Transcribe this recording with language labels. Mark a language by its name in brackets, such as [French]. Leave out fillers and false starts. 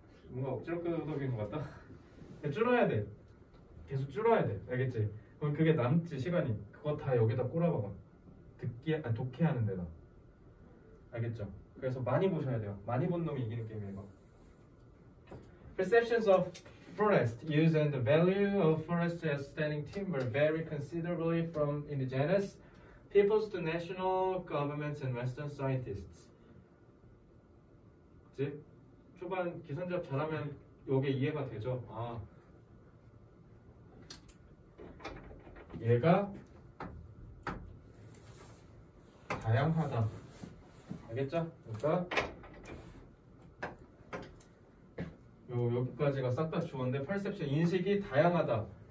[Korean] 뭔가 억지로 끄덕인 것 같다. 줄어야 돼. 계속 줄어야 돼. 알겠지? 그럼 그게 남지 시간이. 그거 다 여기다 꼬라박아. 듣기 아니 독해하는 데다. 알겠죠? 그래서 많이 보셔야 돼요. 많이 본 놈이 이기는 게임이에요, 이거. [English] Perceptions of forest use and the value of forest as standing timber vary considerably from indigenous peoples to national governments and western scientists. [Korean] 그치? 초반 기선제압 잘하면 이게 이해가 되죠. 아, 얘가 다양하다. 알겠죠? 그러니까 요 여기까지가 싹 다 주었는데 perception 인식이 다양하다.